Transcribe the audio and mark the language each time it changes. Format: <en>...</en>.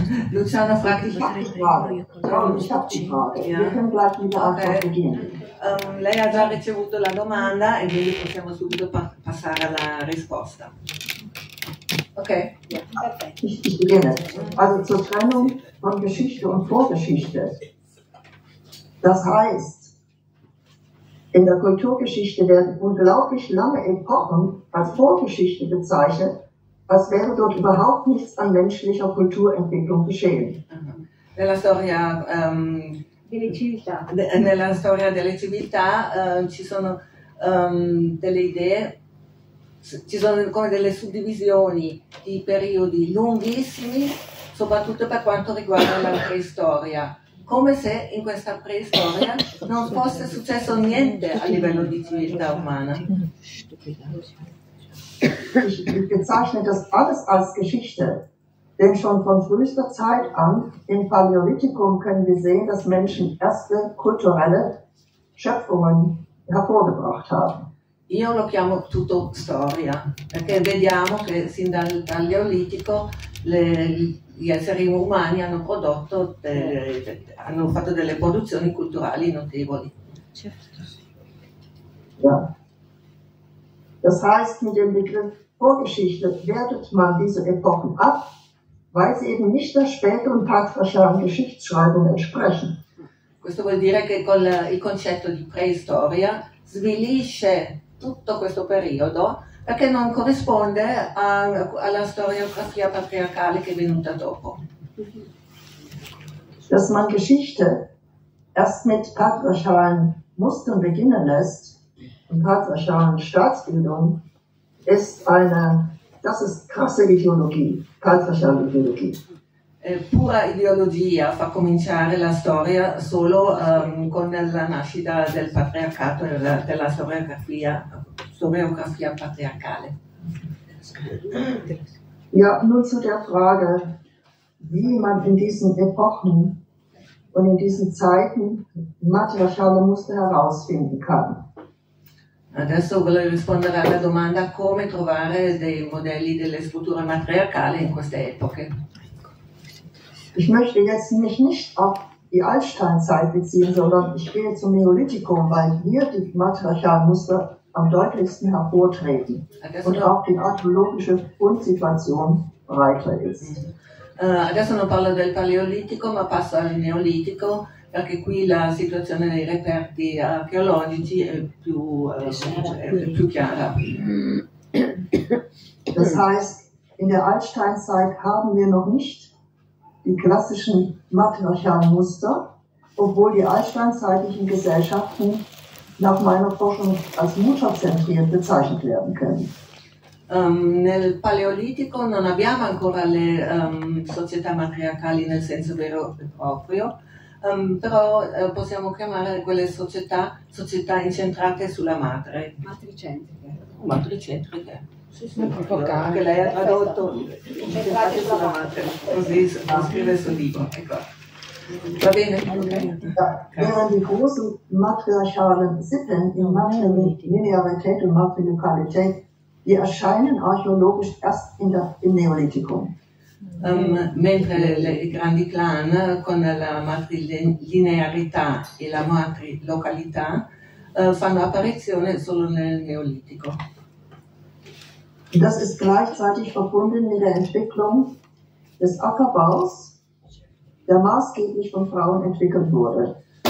<it>Luciano</it> <de>fragt dich,</de> <it>lei ha già ricevuto la domanda e quindi possiamo subito passare alla risposta. Ok, perfetto.</it> <de>Also zur Trennung von Geschichte und Vorgeschichte. Das heißt, in der Kulturgeschichte werden unglaublich lange Epochen als Vorgeschichte bezeichnet, als wäre dort überhaupt nichts an menschlicher Kulturentwicklung geschehen.</de> <it>Nella storia delle civiltà ci sono delle idee, ci sono come delle suddivisioni di periodi lunghissimi, soprattutto per quanto riguarda la preistoria. Come se in questa preistoria non fosse successo niente a livello di civiltà umana.</it> <de>Ich bezeichne das alles als Geschichte, denn schon von frühester Zeit an im Paläolithikum können wir sehen, dass Menschen erste kulturelle Schöpfungen hervorgebracht haben.</de> <it>Io lo chiamo tutto storia, perché vediamo che sin dal Paleolitico gli esseri umani hanno prodotto, hanno fatto delle produzioni culturali notevoli. Certo.</it> <de>Ja. Das heißt, mit dem Begriff Vorgeschichte wertet man diese Epochen ab, weil sie eben nicht der späteren patrischen Geschichtsschreibung entsprechen.</de> <it>Questo vuol dire che con il concetto di preistoria svilisce tutto questo periodo perché non corrisponde alla storiografia patriarcale che è venuta dopo.</it> <de>Dass man Geschichte erst mit patriarchalen Mustern beginnen lässt und patriarchalen Staatsbildung, ist eine, das ist krasse Ideologie, patriarchale Ideologie.</de> <it>Pura ideologia fa cominciare la storia solo con la nascita del patriarcato e della storiografia patriarcale.</it> <de>Ja, nur zu der Frage, wie man in diesen Epochen und in diesen Zeiten matriarchale Muster herausfinden kann.</de> <it>Adesso voglio rispondere alla domanda come trovare dei modelli delle strutture matriarcali in queste epoche.</it> <de>Ich möchte jetzt mich nicht auf die Altsteinzeit beziehen, sondern ich gehe zum Neolithikum, weil hier die matriarchalen Muster am deutlichsten hervortreten und auch die archäologische Grundsituation breiter ist.</de> <it>Adesso non parlo del Paleolitico, ma passo al Neolitico, perché qui la situazione dei reperti archeologici è più chiara.</it> <de>Das heißt, in der Altsteinzeit haben wir noch nicht die klassischen matriarchalen Muster, obwohl die altsteinzeitlichen Gesellschaften nach meiner Forschung als mutterzentriert bezeichnet werden können.</de> <it>Nel Paleolitico non abbiamo ancora le società matriarcali nel senso vero e proprio, però possiamo chiamare quelle società incentrate sulla madre. Matricentriche. Che lei ha tradotto incentrate sulla madre, così scrive il suo libro. Ecco. Va bene?</it> <de>Während die großen matriarchalen Sippen in Matrilinearität und Matrilokalität die erscheinen archeologisch erst im Neolithikum.</de> <it>Mentre i grandi clan con la matrilinearità e la matrilocalità fanno apparizione solo nel Neolitico.</it> <de>Das ist gleichzeitig verbunden mit der Entwicklung des Ackerbaus, der maßgeblich von Frauen entwickelt wurde.</de>